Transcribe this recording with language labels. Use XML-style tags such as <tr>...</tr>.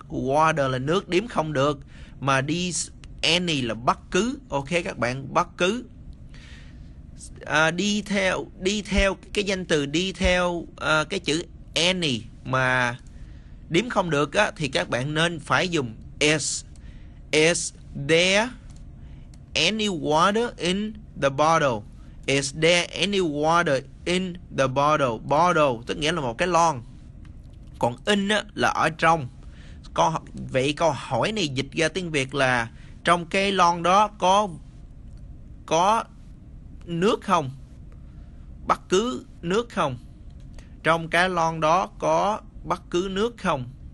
<vi>Water là nước, điểm không được. Mà đi any là bất cứ. Ok các bạn, bất cứ. Đi theo cái danh từ, đi theo cái chữ any mà điểm không được á, thì các bạn nên phải dùng S.</vi> <en>Is there any water in the bottle? Is there any water in the bottle?</en> <vi>Bottle tức nghĩa là một cái lon. Còn in á, là ở trong. Vậy câu hỏi này dịch ra tiếng Việt là trong cái lon đó có nước không? Bất cứ nước không? Trong cái lon đó có bất cứ nước không?</vi>